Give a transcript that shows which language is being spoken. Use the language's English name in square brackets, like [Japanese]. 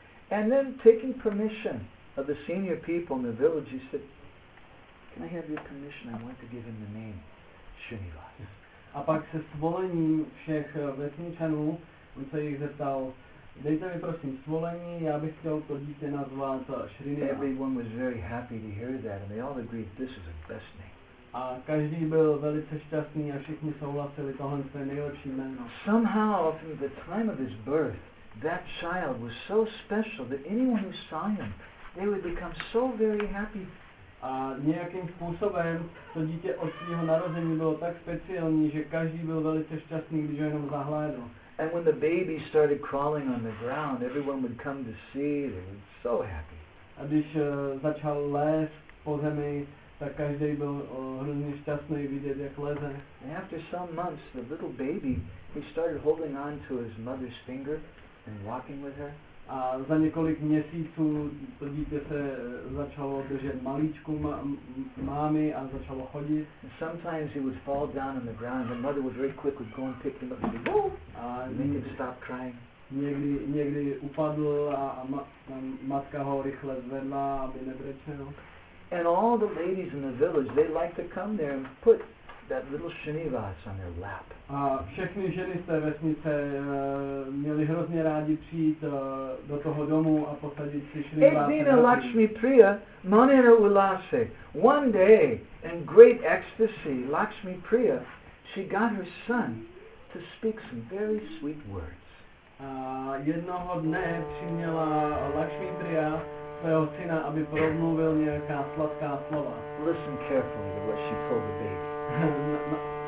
[English] And then, taking permission of the senior people in the village, he said, "Can I have your permission? I want to give him the name Srinivas." [Czech] A pak se svolením všech vesničanů, on se jich zeptal, dejte mi prosím svolení, já bych chtěl to dítě nazvat Srinivas. [English] Everyone was very happy to hear that, and they all agreed this is the best name. [Czech] A každý byl velice šťastný a všichni souhlasili, tohle je nejlepší jméno. [English] Somehow, from the time of his birth, that child was so special that anyone who saw him, they would become so very happy. [Czech] A nějakým způsobem to dítě od svého narození bylo tak speciální, že každý byl velice šťastný, když ho jenom zahlédl. [English] And when the baby started crawling on the ground, everyone would come to see, they were so happy. [Czech] A když začal lézt po zemi, tak každý byl hrozně šťastný vidět, jak leze. [English] And after some months, the little baby, he started holding on to his mother's finger and walking with her. [Czech] A za několik měsíců to dítě se začalo držet maličku mámy a začalo chodit. [English] And sometimes he would fall down on the ground and the mother would very quickly go and pick him up and say, "Woo!" And make him stop crying. [Czech] Někdy upadl matka ho rychle zvedla, aby nebrečel. [English] And all the ladies in the village, they like to come there and put that little Srinivas on their lap. [Czech] A všechny ženy z té vesnice měly hrozně rádi přijít do toho domu a posadit si Srinivas. [Bangla] Edina Lakshmi Priya, Manera Ulase. [English] One day, in great ecstasy, Lakshmi Priya, she got her son to speak some very sweet words. [Czech] A jednoho dne přiměla Lakshmi Priya svého syna, aby promluvil nějaká sladká slova. [English] Listen carefully to what she told the baby.